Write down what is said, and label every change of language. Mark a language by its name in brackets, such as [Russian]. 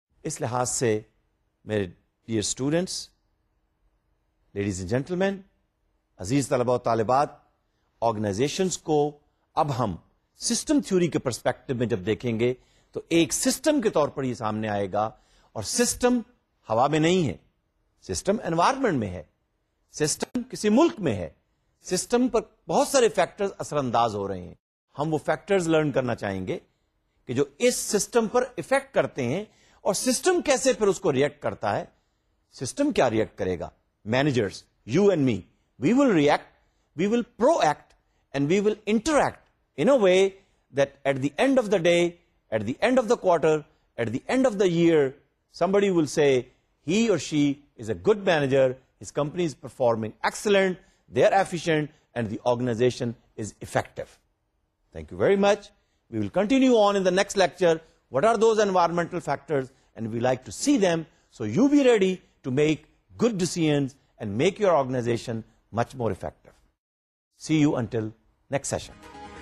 [Urdu] اس لحاظ سے میرے dear students, [English] ladies and gentlemen, [Urdu] عزیز طلباء و طالبات, آرگنائزیشنز کو اب ہم سسٹم تھیوری کے پرسپیکٹو میں جب دیکھیں گے تو ایک سسٹم کے طور پر یہ سامنے آئے گا, اور سسٹم ہوا میں نہیں ہے, سسٹم انوائرمنٹ میں ہے, سسٹم کسی ملک میں ہے, سسٹم پر بہت سارے فیکٹرز اثر انداز ہو رہے ہیں. ہم وہ فیکٹرز لرن کرنا چاہیں گے کہ جو اس سسٹم پر افیکٹ کرتے ہیں, اور سسٹم کیسے پھر اس کو ریئیکٹ کرتا ہے, سسٹم کیا ریئیکٹ کرے گا. [English] Managers, you and me, we will react, we will proact, and we will interact in a way that at the end of the day, at the end of the quarter, at the end of the year, somebody will say he or she is a good manager, his company is performing excellent, they are efficient, and the organization is effective. Thank you very much. We will continue on in the next lecture. What are those environmental factors, and we like to see them, so you be ready to make good decisions and make your organization much more effective. See you until next session.